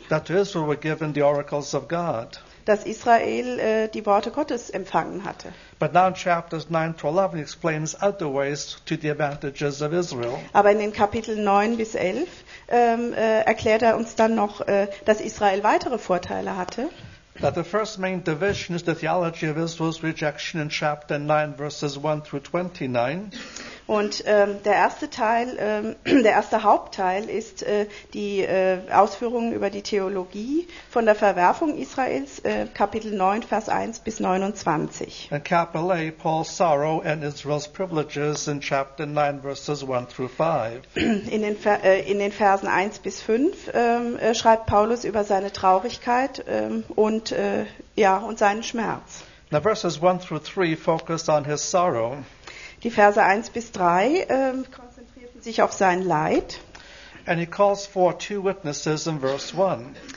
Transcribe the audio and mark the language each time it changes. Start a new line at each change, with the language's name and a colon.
English: That Israel were given the oracles of God.
German: Dass Israel die Worte Gottes empfangen hatte.
English: But now in chapters 9 to 11 he explains other ways to the advantages of Israel.
German: Aber in den Kapiteln 9 bis 11 erklärt er uns dann noch, dass Israel weitere Vorteile hatte.
English: That the first main division is the theology of Israel's rejection in chapter 9 verses 1 through 29.
German: Und der erste Teil, der erste Hauptteil ist die Ausführungen über die Theologie von der Verwerfung Israels, Kapitel 9, Vers 1 bis 29. In Kapitel
English: A, Paul's sorrow and Israel's privileges in chapter 9, verses 1 through 5.
German: In den Versen 1 bis 5 schreibt Paulus über seine Traurigkeit und seinen Schmerz.
English: Now verses 1 through 3 focus on his sorrow.
German: Die Verse 1 bis 3 konzentrierten sich auf sein Leid.
English: And he calls for two witnesses in verse 1.